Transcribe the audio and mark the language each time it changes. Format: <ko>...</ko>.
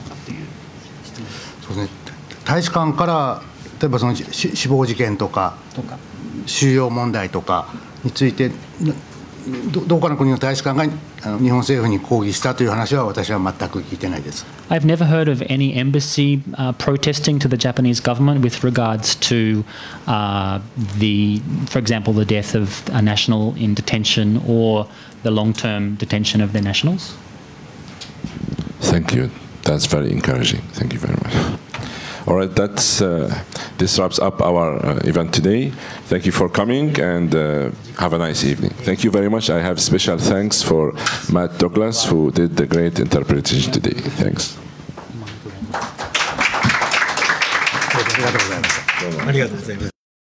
<ja>そうですね、大使館から例えばその死亡事件とか収容問題とかについて どこかの国の大使館が日本政府に抗議したという話は私は全く聞いてないです。</ja> <en>I've never heard of any embassy protesting to the Japanese government with regards to the, for example, the death of a national in detention or the long-term detention of their nationals. Thank you. That's very encouraging. Thank you very much. All right, that's, this wraps up our event today. Thank you for coming and have a nice evening. Thank you very much. I have special thanks for Matt Douglas who did the great interpretation today. Thanks.</en> <ja>ありがとうございます。</ja>